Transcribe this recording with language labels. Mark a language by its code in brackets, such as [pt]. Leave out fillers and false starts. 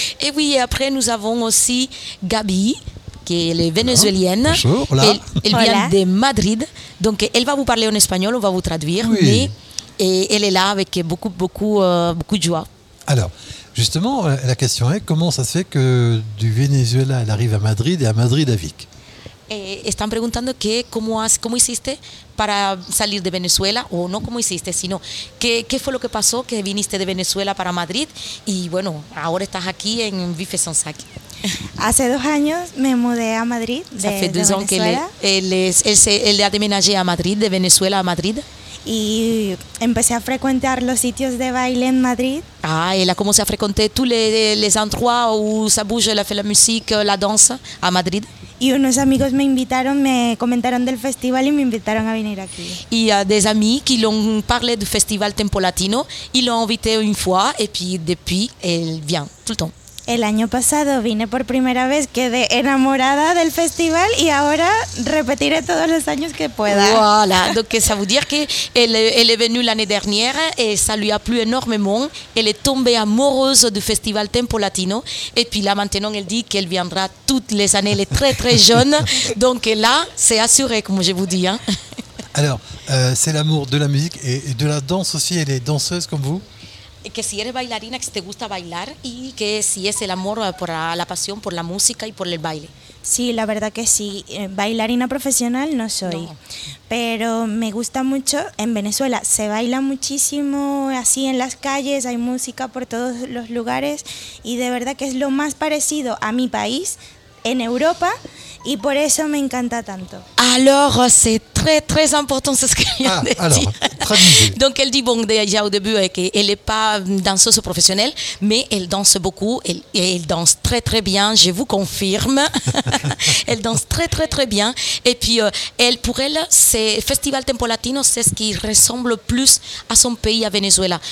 [fr] Et oui, et après nous avons aussi Gabi, qui est vénézuélienne. Bonjour, [es] hola. [fr] Elle vient de Madrid, donc elle va vous parler en espagnol, on va vous traduire, oui. Mais et elle est là avec beaucoup de joie. Alors... Justement, la question est, comment ça se fait que du Venezuela, elle arrive à Madrid et à Madrid à Vic? [es] Están preguntando que cómo hiciste para salir de Venezuela, o no cómo hiciste, sino qué fue lo que pasó que viniste de Venezuela para Madrid y bueno, ahora estás aquí en Vifesón Sac. Hace dos años me mudé a Madrid de Venezuela. Hace dos años que [fr] él ha déménagé a Madrid, de Venezuela a Madrid. [es] Y empecé a frecuentar los sitios de baile en Madrid. [fr] Ah, elle a commencé à fréquenter tous les endroits où ça bouge, elle a fait la musique, la danse à Madrid. [es] Y unos amigos me invitaron, me comentaron del festival y me invitaron a venir aquí. [fr] Y a des amis qui l'ont parlé du festival Tempo Latino, ils l'ont invité une fois et puis depuis elle vient tout le temps. [es] El año pasado vine por primera vez, quedé enamorada del festival y ahora repetiré todos los años que pueda. [fr] Voilà, donc ça veut dire qu'elle est venue l'année dernière et ça lui a plu énormément. Elle est tombée amoureuse du festival Tempo Latino et puis là maintenant elle dit qu'elle viendra toutes les années. Elle est très très jeune, donc là c'est assuré comme je vous dis. Hein. Alors, c'est l'amour de la musique et de la danse aussi, elle est danseuse comme vous? [es] Que si eres bailarina, que te gusta bailar y que si es el amor por la pasión, por la música y por el baile. Sí, la verdad que sí. Bailarina profesional no soy. No. Pero me gusta mucho. En Venezuela se baila muchísimo, así en las calles, hay música por todos los lugares. Y de verdad que es lo más parecido a mi país en Europa. Y por eso me encanta tanto. [fr] Alors, c'est très très important ce qu'elle vient de dire. Donc elle dit, bon, déjà au début, qu'elle n'est pas danseuse professionnelle, mais elle danse beaucoup, elle danse très très bien, je vous confirme. Elle danse très très très bien. Et puis, pour elle, c'est Festival Tempo Latino, c'est ce qui ressemble plus à son pays, à Venezuela.